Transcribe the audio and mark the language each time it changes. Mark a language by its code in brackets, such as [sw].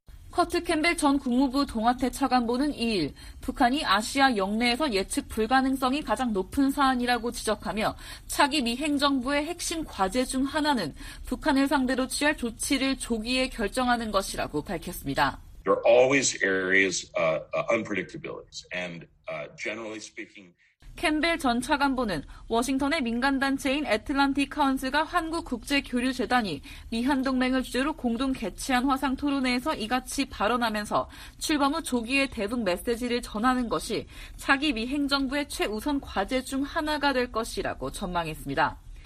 [ko] 커트 캠벨 전 국무부 동아태 차관보는 2일 북한이 아시아 영내에서 예측 불가능성이 가장 높은 사안이라고 지적하며 차기 미 행정부의 핵심 과제 중 하나는 북한을 상대로 취할 조치를 조기에 결정하는 것이라고 밝혔습니다. [en] There are always areas unpredictabilities and generally speaking [ko] 캠벨 전 차관보는 워싱턴의 민간단체인 애틀란틱 카운스가 한국국제교류재단이 미한동맹을 주제로 공동 개최한 화상 토론회에서 이같이 발언하면서 출범 후 조기의 대북 메시지를 전하는 것이 차기 미 행정부의 최우선 과제 중 하나가 될 것이라고 전망했습니다.